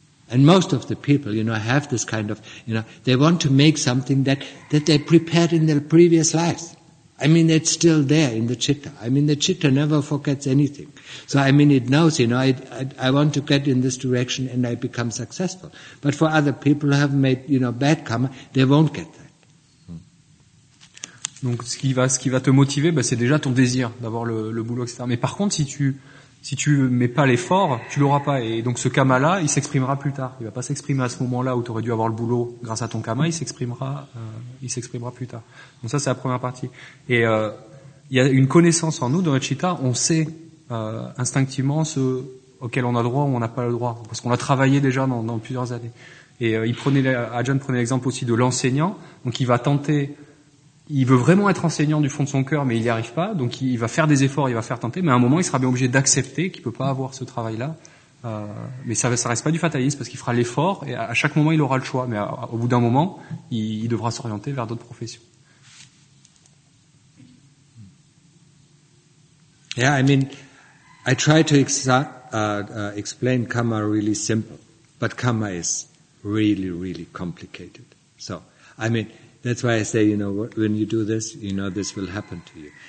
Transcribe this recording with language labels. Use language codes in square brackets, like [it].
[en] And most of the people, you know, have this kind of, you know, they want to make something that they prepared in their previous lives. I mean, it's still there in the chitta. I mean, the chitta never forgets anything. So, I mean, it knows, you know, I want to get in this direction and I become successful. But for other people who have made, you know, bad karma, they won't get that. [fr] Donc, ce qui va te motiver, bah, c'est déjà ton désir d'avoir le boulot, etc. Mais par contre, si tu mets pas l'effort, tu l'auras pas. Et donc, ce karma-là, il s'exprimera plus tard. Il va pas s'exprimer à ce moment-là où tu aurais dû avoir le boulot grâce à ton karma. Il s'exprimera plus tard. Donc ça, c'est la première partie. Et il y a une connaissance en nous, dans notre chitta, on sait instinctivement ce auquel on a droit ou on n'a pas le droit, parce qu'on l'a travaillé déjà dans plusieurs années. Et Ajahn prenait l'exemple aussi de l'enseignant. Donc il va tenter. Il veut vraiment être enseignant du fond de son cœur, mais il n'y arrive pas. Donc il va faire des efforts, il va faire tenter. Mais à un moment, il sera bien obligé d'accepter qu'il ne peut pas avoir ce travail-là. Mais ça reste pas du fatalisme, parce qu'il fera l'effort et à chaque moment, il aura le choix. Mais au bout d'un moment, il devra s'orienter vers d'autres professions. [en] Yeah, I mean, I try to explain karma really simple. But karma is really, really complicated. So, I mean, that's why I say, you know, when you do this, you know, this will happen to you.